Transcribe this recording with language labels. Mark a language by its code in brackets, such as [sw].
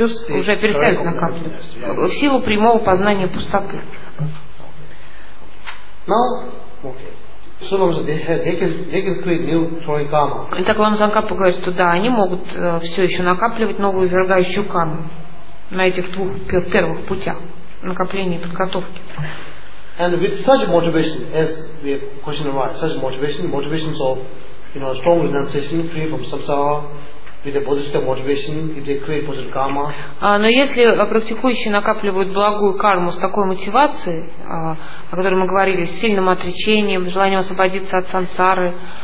[ru] уже перестают накапливать. [en] Yes, yeah. [ru] В силу прямого познания пустоты. [en] Now, okay. So they can create new throwing karma. [ru] Итак, Лама Цанкапа говорит, что да, они могут все еще накапливать новую ввергающую карму на этих двух первых путях накопления и подготовки. [en] And with such motivation, as we have questioned about, such motivations of, you know, strong renunciation, free from samsara, with a positive motivation, if they create positive karma. [ru] Но если практикующие накапливают благую карму с такой мотивацией, о которой мы говорили, с сильным отречением, желанием освободиться от сансары.